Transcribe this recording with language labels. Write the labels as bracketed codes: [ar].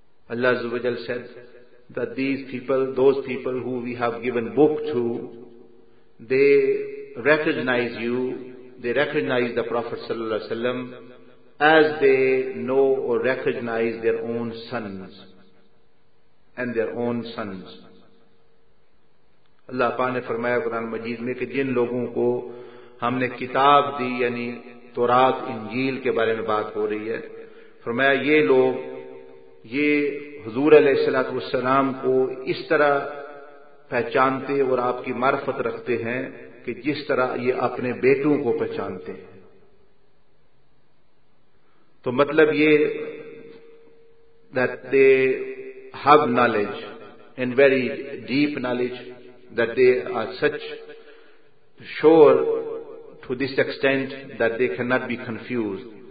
[en] Allah Azza wa Jal said that those people who we have given book to, they recognize you, they recognize the Prophet sallallahu alaihi wasallam as they know or recognize their own sons and their own sons. [ur] اللہ پاک نے فرمایا قرآن مجید میں کہ جن لوگوں کو ہم نے کتاب دی, یعنی تورات انجیل کے بارے میں بات ہو رہی ہے, فرمایا یہ لوگ, یہ حضور علیہ السلام کو اس طرح پہچانتے اور آپ کی معرفت رکھتے ہیں کہ جس طرح یہ اپنے بیٹوں کو پہچانتے ہیں. تو مطلب یہ [en] that they have knowledge and very deep knowledge, that they are such sure to this extent that they cannot be confused.